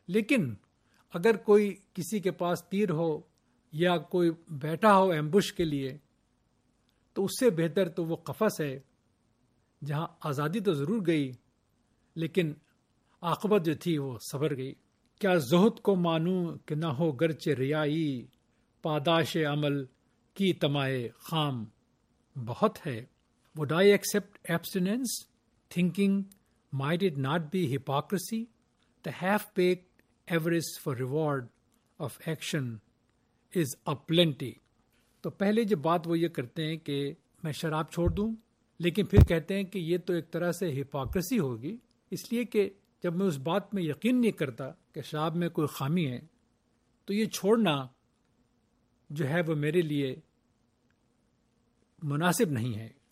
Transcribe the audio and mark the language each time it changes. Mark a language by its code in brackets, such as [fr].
[ur] لیکن اگر کوئی کسی کے پاس تیر ہو یا کوئی بیٹا ہو ایمبوش کے لیے, تو اس سے بہتر تو وہ قفس ہے جہاں آزادی تو ضرور گئی لیکن عاقبت جو تھی وہ سبر گئی. کیا زہد کو مانوں کہ نہ ہو گرچہ ریائی, پاداش عمل کی تمائے خام بہت ہے. [en] Would I accept abstinence thinking might it not be hypocrisy, the half-baked avarice for reward of action is a plenty. [ur] تو پہلے جو بات وہ یہ کرتے ہیں کہ میں شراب چھوڑ دوں, لیکن پھر کہتے ہیں کہ یہ تو ایک طرح سے ہپاکرسی ہوگی, اس لیے کہ جب میں اس بات میں یقین نہیں کرتا کہ شراب میں کوئی خامی ہے تو یہ چھوڑنا جو ہے وہ میرے لیے مناسب نہیں ہے.